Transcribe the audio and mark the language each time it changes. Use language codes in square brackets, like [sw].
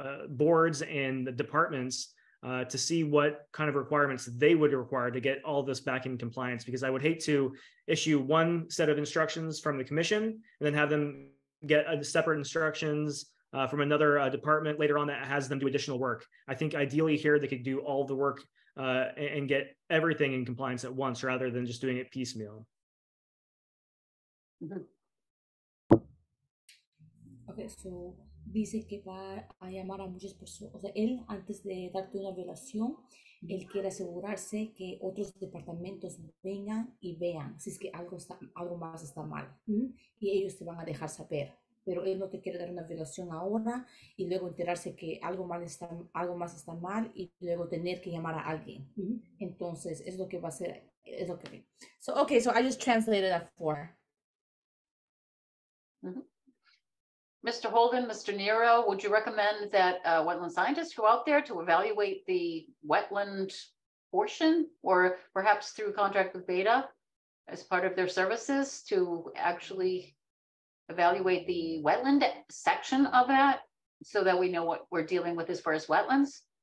[en] boards and the departments to see what kind of requirements they would require to get all this back in compliance, because I would hate to issue one set of instructions from the commission and then have them get a separate instructions from another department later on that has them do additional work. I think ideally here they could do all the work and get everything in compliance at once rather than just doing it piecemeal. [es] Okay, so dice que va a llamar a muchas personas. O sea, él antes de darte una violación, él quiere asegurarse que otros departamentos vengan y vean si es que algo más está mal. Y ellos te van a dejar saber. Pero él no te quiere dar una violación ahora y luego enterarse que algo más está mal y luego tener que llamar a alguien. Entonces, es lo que va a ser, es lo que va. [en] So, okay, so I just translated that for. Mr. Holden, Mr. Nero, would you recommend that wetland scientists go out there to evaluate the wetland portion, or perhaps through contract with Beta as part of their services to actually evaluate the wetland section of that so that we know what we're dealing with as far as wetlands?